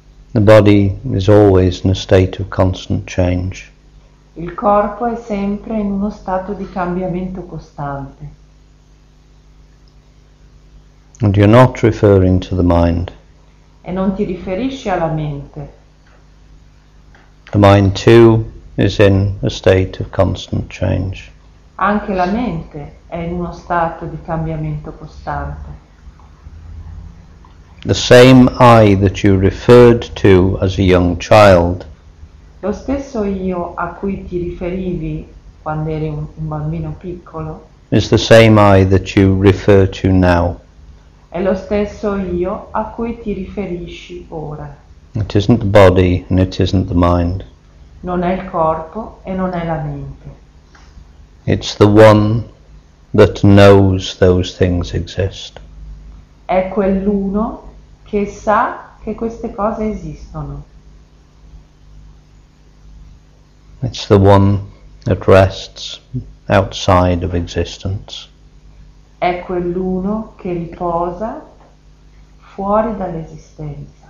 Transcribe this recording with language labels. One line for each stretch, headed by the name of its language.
English: The body is always in a state of constant change.
Italian: Il corpo è sempre in uno stato di cambiamento costante.
English: And you're not referring to the mind.
Italian: E non ti riferisci alla mente.
English: The mind too is in a state of constant change.
Italian: Anche la mente è in uno stato di cambiamento costante.
English: The same I that you referred to as a young child.
Italian: Lo stesso io a cui ti riferivi quando eri un bambino piccolo.
English: Is the same I that you refer to now.
Italian: È lo stesso io a cui ti riferisci ora.
English: It isn't the body and it isn't the mind.
Italian: Non è il corpo e non è la mente.
English: It's the one that knows those things exist.
Italian: È quell'uno che sa che queste cose esistono.
English: It's the one that rests outside of existence.
Italian: È quell'uno che riposa fuori dall'esistenza.